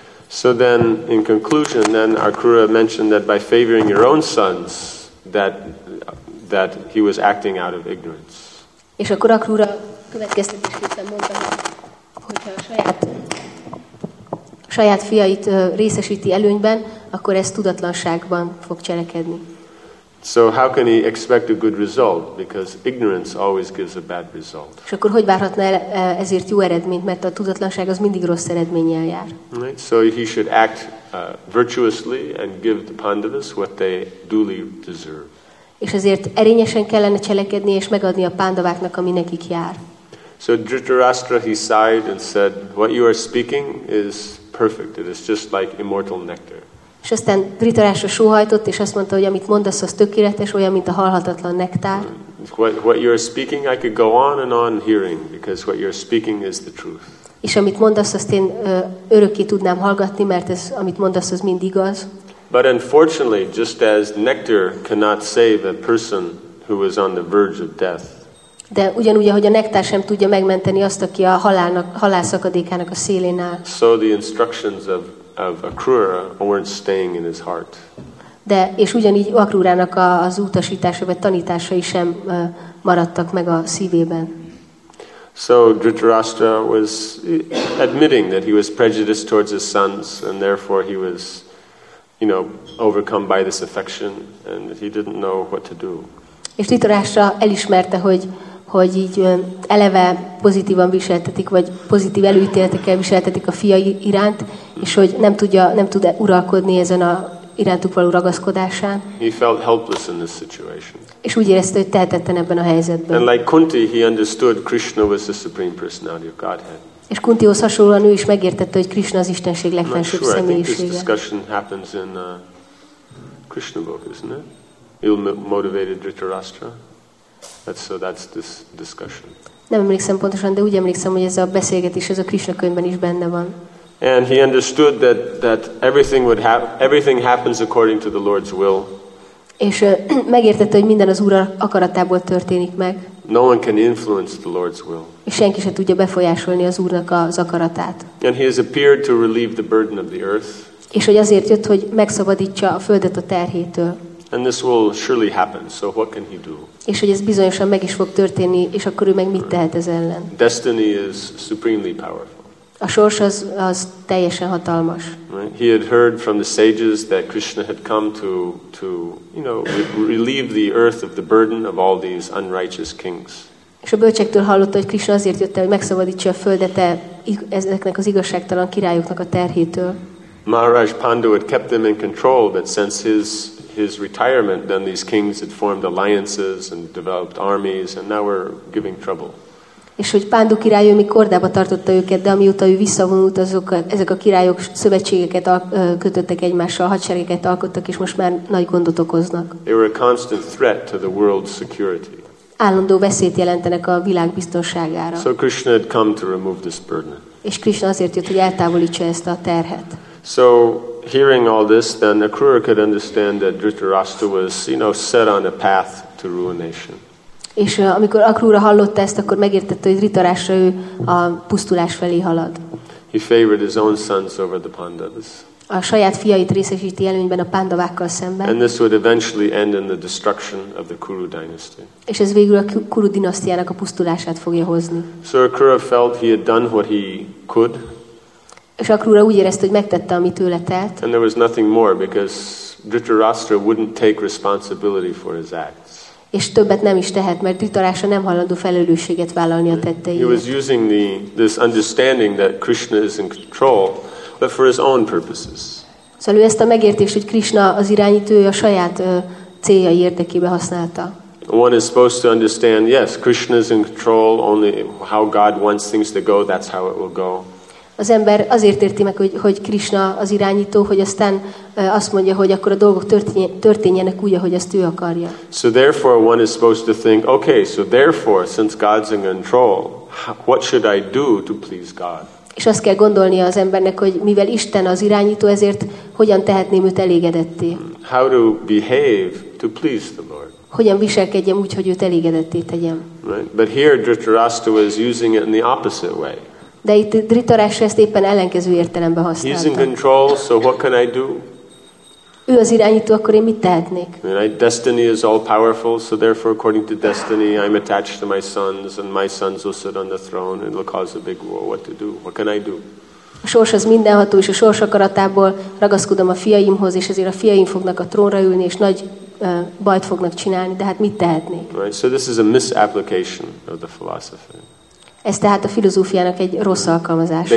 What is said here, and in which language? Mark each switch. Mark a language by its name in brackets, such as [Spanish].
[English] So then, in conclusion, then Akrura mentioned that by favoring your own sons, that he was acting out of ignorance. [Hungarian] És akkor Akrura következtetésképpen mondta, hogyha saját fiait részesíti előnyben, akkor ez tudatlanságban fog cselekedni. [English] So how can he expect a good result? Because ignorance always gives a bad result. [Hungarian] És akkor hogy várhatna ezért jó eredményt, mert a tudatlanság az mindig rossz eredménnyel jár. [English] Right? So he should act virtuously and give the Pandavas what they duly deserve. [Hungarian] És ezért erényesen kellene cselekedni és megadni a Pandaváknak, ami nekik jár. [English] So Dhritarashtra, he sighed and said, what you are speaking is perfect. It is just like immortal nectar. [Hungarian] És aztán Dhritarashtra sóhajtott, és azt mondta, hogy amit mondasz, az tökéletes, olyan, mint a halhatatlan nektár. [English] What you are speaking, I could go on and on hearing, because what you are speaking is the truth. [Hungarian] És amit mondasz, azt én örökké tudnám hallgatni, mert ez, amit mondasz, az mind igaz. [English] But unfortunately, just as nectar cannot save a person who is on the verge of death. [Hungarian] De ugyanúgy, ahogy a nektár sem tudja megmenteni azt, aki a halál szakadékának a szélén áll. [English] So the instructions of Akrura weren't staying in his heart. [Hungarian] De és ugyanígy Akrúrának az utasítása vagy tanításai sem maradtak meg a szívében. [English] So Dhritarashtra was admitting that he was prejudiced towards his sons, and therefore he was, you know, overcome by this affection, and he didn't know what to do. [Hungarian] És Dhritarashtra elismerte, hogy így eleve pozitívan viseltetik, vagy pozitív előítéletekkel viseltetik a fiai iránt, és hogy nem tud uralkodni ezen a irántuk való ragaszkodásán. [English] He felt helpless in this situation. [Hungarian] És úgy érezte, hogy tehetetlen ebben a helyzetben. [English] And like Kunti, he understood Krishna was the supreme personality of Godhead. [Hungarian] És Kuntihoz hasonlóan ő is megértette, hogy Krishna az Istenség legfelsőbb személyisége. [English] This discussion happens in Krishna book, isn't it? Ill-motivated Dhritarashtra. That's this discussion. [Hungarian] Nem emlékszem pontosan, de úgy emlékszem, hogy ez a beszélgetés, ez a Krishna könyvben is benne van. [English] And he understood that everything happens according to the Lord's will. [Hungarian] És megértette, hogy minden az Úr akaratából történik meg. [English] No one can influence the Lord's will. [Hungarian] És senki se tudja befolyásolni az Úrnak az akaratát. [English] And he has appeared to relieve the burden of the earth. [Hungarian] És hogy azért jött, hogy megszabadítsa a földet a terhétől. [English] And this will surely happen. So what can he do? [Hungarian] És hogy ez bizonyosan meg is fog történni, és akkor ő meg mit tehet ez ellen? [English] Destiny is supremely powerful. [Hungarian] A sors az teljesen hatalmas. [English] He had heard from the sages that Krishna had come to you know relieve the earth of the burden of all these unrighteous kings. [Hungarian] És a bölcsektől hallotta, hogy Krishna azért jött el, hogy megszabadítsa a földet ezeknek az igazságtalan királyoknak a terhétől. [English] Maharaj Pandu had kept them in control, but since his retirement, then these kings had formed alliances and developed armies, and now we're giving trouble. [Hungarian] És hogy Pándu király ő még kordába tartotta őket, de amióta ő visszavonult, ezek a királyok szövetségeket kötöttek egymással, hadseregeket alkottak, és most már nagy gondot okoznak. [English] They were a constant threat to the world's security. [Hungarian] Állandó veszélyt jelentenek a világ biztonságára. [English] So Krishna had come to remove this burden. [Hungarian] És Krishna azért jött, hogy eltávolítsa ezt a terhet. [English] So hearing all this, then Akrura could understand that Dhritarashtra was, you know, set on a path to ruination. [Hungarian] És amikor Akrura hallotta ezt, akkor megértette, hogy Dhritarashtra ő a pusztulás felé halad. [English] He favored his own sons over the Pandavas. [Hungarian] A saját fiait részesíti előnyben a Pandavákkal szemben. [English] And this would eventually end in the destruction of the Kuru dynasty. [Hungarian] És ez végül a Kuru dinasztiának a pusztulását fogja hozni. [English] So Akrura felt he had done what he could. [Hungarian] És Akrura úgy érezte, hogy megtette, amit tőle telt. [English] And there was nothing more because Dhritarashtra wouldn't take responsibility for his acts. [Hungarian] És többet nem is tehet, mert Dhritarashtra nem hajlandó felelősséget vállalni a tetteiért. [English] He was using this understanding that Krishna is in control, but for his own purposes. [Hungarian] Szóval ő ezt a megértést, hogy Krishna az irányító, a saját céljai érdekében használta. [English] One is supposed to understand, yes, Krishna is in control, only how God wants things to go, that's how it will go. [Hungarian] Az ember azért érti meg, hogy Krishna az irányító, hogy aztán azt mondja, hogy akkor a dolgok történjenek úgy, ahogy azt ő akarja. [English] So therefore one is supposed to think, okay, so therefore since God's in control, what should I do to please God? [Hungarian] És azt kell gondolnia az embernek, hogy mivel Isten az irányító, ezért hogyan tehetném őt elégedetté? [English] How to behave to please the Lord? [Hungarian] Hogyan viselkedjem úgy, hogy őt elégedetté tegyem? [English] Right? But here Dhritarashtra was using it in the opposite way. [Hungarian] De itt Dhritarashtra ezt éppen ellenkező értelemben használta. [English] He's in control, so what can I do? [Hungarian] Ő az irányító, akkor én mit tehetnék? [English] Destiny is all powerful, so therefore according to destiny I'm attached to my sons and my sons will sit on the throne and will cause a big war. What to do? What can I do? [Hungarian] A sors az mindenható, és a sors akaratából ragaszkodom a fiaimhoz, és ezért a fiaim fognak a trónra ülni, és nagy bajt fognak csinálni, de hát mit tehetnék? [English] Right, so this is a misapplication of the philosophy. [Hungarian] Ez tehát a filozófiának egy rossz alkalmazása.